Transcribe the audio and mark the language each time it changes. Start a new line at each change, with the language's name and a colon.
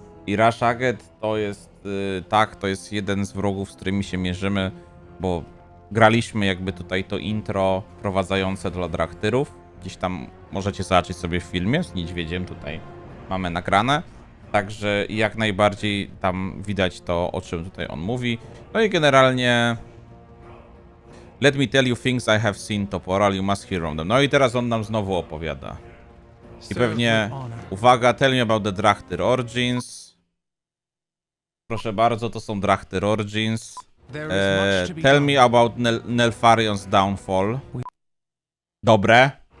Polish: I Rashaget to jest jeden z wrogów, z którymi się mierzymy, bo graliśmy jakby tutaj to intro wprowadzające dla Drachtyrów. Gdzieś tam możecie zobaczyć sobie w filmie z niedźwiedziem, tutaj mamy nagrane. Także jak najbardziej tam widać to, o czym tutaj on mówi. No i generalnie...
English: Let me tell you things I have seen, Toporal, you must hear them.
Polish: No i teraz on nam znowu opowiada. I pewnie... Uwaga,
English: tell me about the Drachtyr Origins.
Polish: Proszę bardzo, to są Drachtyr Origins.
English: Tell me about Nelfarion's downfall.
Polish: Dobre.